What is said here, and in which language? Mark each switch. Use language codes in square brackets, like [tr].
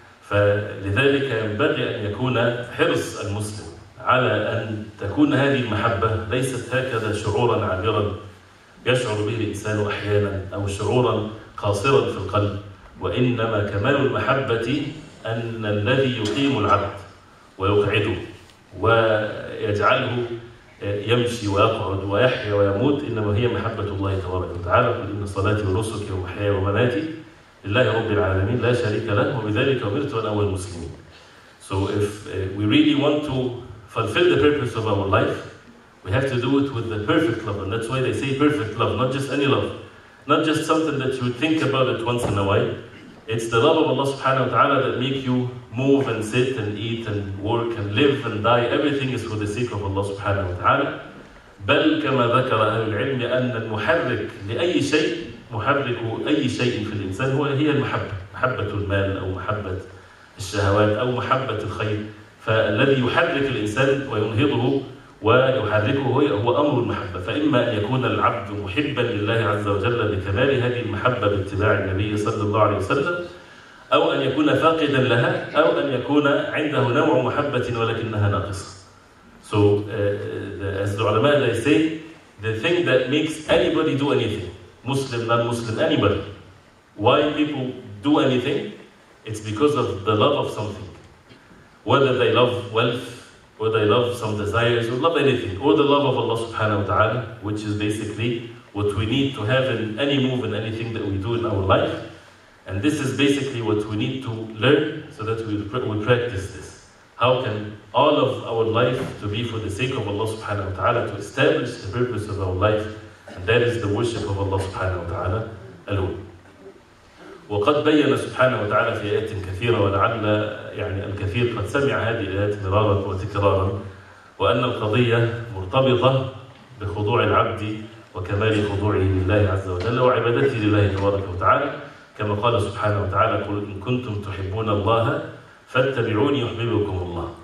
[ar] فلذلك ينبغي أن يكون حرص المسلم على أن تكون هذه المحبة ليست هكذا شعوراً عابراً يشعر به الإنسان أحياناً أو شعوراً قاصراً في القلب، وإنما كمال المحبة أن الذي يقيم العبد ويقعده ويجعله يمشي ويقعد ويحيا ويموت إنما هي محبة الله تبارك وتعالى. قل إن صلاتي ونسكي ومحياي ومماتي لله رب العالمين لا شريك له وبذلك أمرت أن أول المسلمين. [en] So if we really want to fulfill the purpose of our life, we have to do it with the perfect love. And that's why they say perfect love, not just any love, not just something that you think about it once in a while. It's the love of Allah subhanahu wa ta'ala that make you move and sit and eat and work and live and die. Everything is for the sake of Allah subhanahu wa ta'ala. [ar] بل كما ذكر أهل العلم أن المحرك لأي شيء محرك أي شيء في الإنسان هو هي المحبة. محبة المال أو محبة الشهوات أو محبة الخير. فالذي يحرك الإنسان وينهضه ويحركه هو أمر المحبة. فإما أن يكون العبد محبا لله عز وجل بكمال هذه المحبة باتباع النبي صلى الله عليه وسلم، أو أن يكون فاقدا لها، أو أن يكون عنده نوع محبة ولكنها ناقصة. [en] So as the علماء they say, the thing that makes anybody do anything, Muslim, non-Muslim, anybody, why people do anything, it's because of the love of something. Whether they love wealth, or they love some desires, or love anything, or the love of Allah subhanahu wa ta'ala, which is basically what we need to have in any move and anything that we do in our life. And this is basically what we need to learn so that we practice this. How can all of our life to be for the sake of Allah subhanahu wa ta'ala, to establish the purpose of our life, and that is the worship of Allah subhanahu wa ta'ala alone. [ar] وقد بين سبحانه وتعالى في آيات كثيرة، ولعل يعني الكثير قد سمع هذه الآيات مرارا وتكرارا، وأن القضية مرتبطة بخضوع العبد وكمال خضوعه لله عز وجل وعبادته لله تبارك وتعالى، كما قال سبحانه وتعالى قل إن كنتم تحبون الله فاتبعوني يحببكم الله.